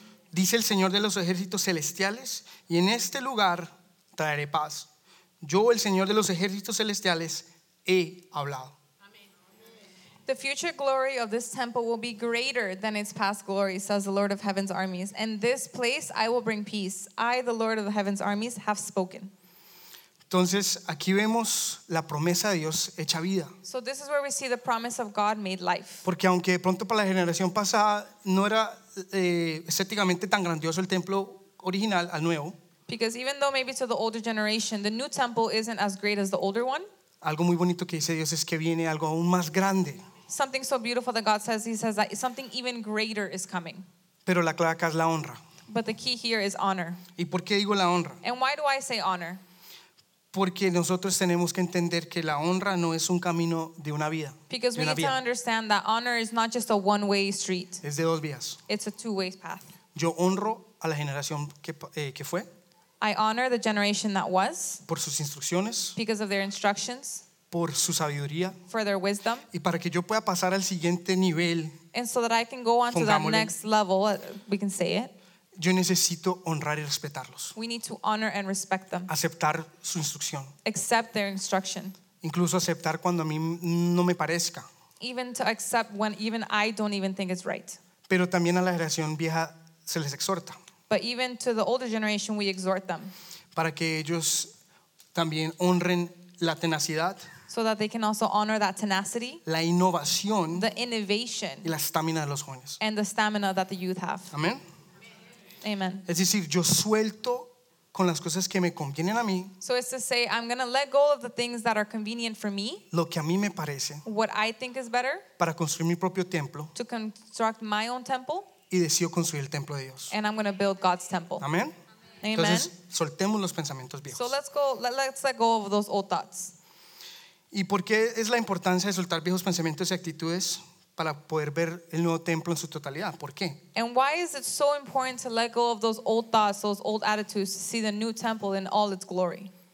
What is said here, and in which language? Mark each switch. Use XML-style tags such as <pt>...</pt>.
<es>Dice el Señor de los ejércitos celestiales, y en este lugar traeré paz. Yo, el Señor de los ejércitos celestiales, he hablado.</es> <en>The future glory of this temple will be greater than its past glory, says the Lord of Heaven's armies. In this place I will bring peace. I, the Lord of the Heaven's armies, have spoken.</en> <es>Entonces, aquí vemos la promesa de Dios hecha vida.</es> <en>So this is where we see the promise of God made life.</en> <es>Porque aunque pronto para la generación pasada no era estéticamente tan grandioso el templo original al nuevo.</es> <en>Because even though maybe to the older generation, the new temple isn't as great as the older one.</en> <es>Algo muy bonito que dice Dios es que viene algo aún más grande.</es> <en>Something so beautiful that God says, he says that something even greater is coming.</en> <es>Pero la clave acá es la honra.</es> <en>But the key here is honor.</en> <es>¿Y por qué digo la honra?</es> <en>And why do I say honor?</en> <es>Porque nosotros tenemos que entender que la honra no es un camino de una vida.</es> <en>Because we need</en> <es>vida.</es> <en>To understand that honor is not just a one-way street.</en> <es>Es de dos vías.</es> <en>It's a two-way path.</en> <es>Yo honro a la generación que fue.</es> <en>I honor the generation that was</en> <es>por sus instrucciones,</es> <en>because of their instructions</en> <es>por su sabiduría,</es> <en>for their wisdom</en> <es>y para que yo pueda pasar al siguiente nivel,</es> <en>and so that I can go on to that next level, we can say it,</en> <es>yo necesito honrar y respetarlos.</es> <en>We need to honor and respect them.</en> <es>Aceptar su instrucción.</es> <en>Accept their instruction.</en> <es>Incluso aceptar cuando a mí no me parezca.</es> <en>Even to accept when even I don't even think it's right.</en> <es>Pero también a la generación vieja se les exhorta.</es> <en>But even to the older generation, we exhort them.</en> <es>Para que ellos también honren la tenacidad.</es> <en>So that they can also honor that tenacity.</en> <es>La innovación.</es> <en>The innovation.</en> <es>Y la estamina de los jóvenes.</es> <en>And the stamina that the youth have. Amen. Amen.</en> <es>Es decir, yo suelto con las cosas que me convienen a mí.</es> <en>So it's to say, I'm going to let go of the things that are convenient for me.</en> <es>Lo que a mí me parece.</es> <en>What I think is better.</en> <es>Para construir mi propio templo.</es> <en>To construct my own temple.</en> <es>Y decido construir el templo de Dios.</es> <en>And I'm going to build God's temple.</en> <es>Amén.</es> <en>Amen.</en> <es>Entonces, soltemos los pensamientos viejos.</es> <en>So let's let go of those old thoughts.</en> <es>¿Y por qué es la importancia de soltar viejos pensamientos y actitudes para poder ver el nuevo templo en su totalidad? ¿Por qué?</es> <en>And why is it so important to let go of those old thoughts, those old attitudes, to see the new temple in all its glory?</en>